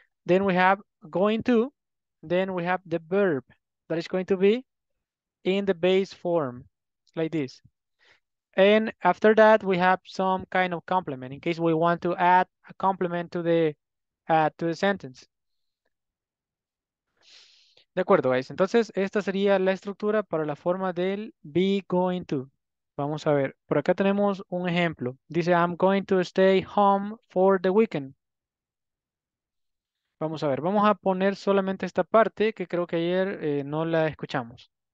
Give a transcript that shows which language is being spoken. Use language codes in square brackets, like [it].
[en] Then we have going to, then we have the verb that is going to be in the base form, like this. And after that, we have some kind of complement in case we want to add a complement to the sentence. [es] De acuerdo, guys. Entonces, esta sería la estructura para la forma del be going to. Vamos a ver. Por acá tenemos un ejemplo. Dice, [en] I'm going to stay home for the weekend. [es] Vamos a ver. Vamos a poner solamente esta parte que creo que ayer no la escuchamos.